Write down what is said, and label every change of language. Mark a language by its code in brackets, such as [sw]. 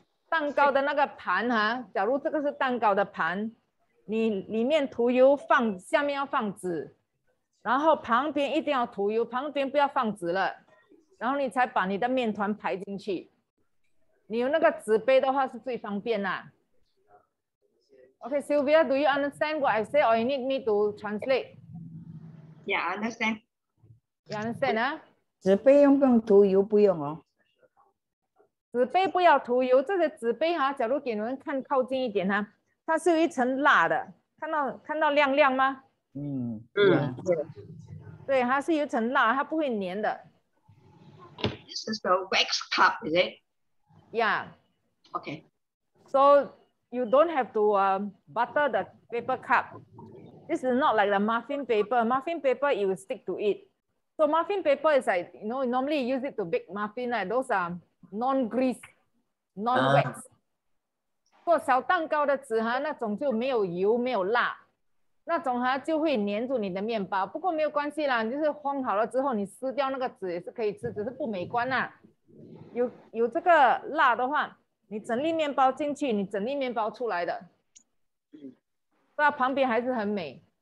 [zh] 蛋糕的那个盘哈，假如这个是蛋糕的盘，你里面涂油放，下面要放纸，然后旁边一定要涂油，旁边不要放纸了，然后你才把你的面团排进去。你有那个纸杯的话是最方便啦、啊。 [en] Okay, Sylvia, do you understand what I say or you need me to translate? Yeah, I understand. You understand, huh? [zh] 紫杯用不用涂油不用哦? 紫杯不要涂油,这些紫杯,假如给你们看靠近一点,它是有一层蜡的，看到亮亮吗？嗯嗯，对，它是有一层蜡，它不会粘的。 [en] This is a wax cup, is it? Yeah. Okay. So you don't have to butter the paper cup. This is not like the muffin paper. Muffin paper, it will stick to it. So muffin paper is like, you know, normally you use it to bake muffin. Like those are non-grease, non-wax. Uh-huh. [zh] 做小蛋糕的纸哈，那种就没有油没有辣，那种哈就会粘住你的面包。不过没有关系啦，就是烘好了之后你撕掉那个纸也是可以吃，只是不美观啦。有这个辣的话，你整粒面包进去，你整粒面包出来的，那旁边还是很美。